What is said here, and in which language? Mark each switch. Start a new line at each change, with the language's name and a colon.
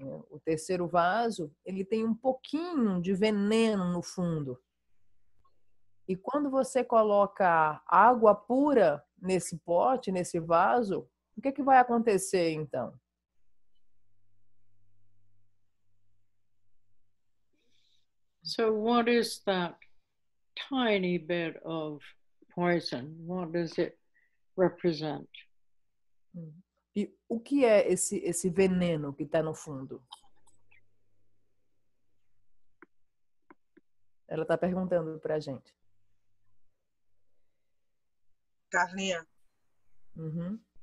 Portuguese: O terceiro vaso, ele tem um pouquinho de veneno no fundo. E quando você coloca água pura nesse pote, nesse vaso, o que, que vai acontecer então?
English: So what is that tiny bit of poison? What does it represent?
Portuguese: E o que é esse veneno que está no fundo? Ela está perguntando para a gente. Carlinha. Uhum.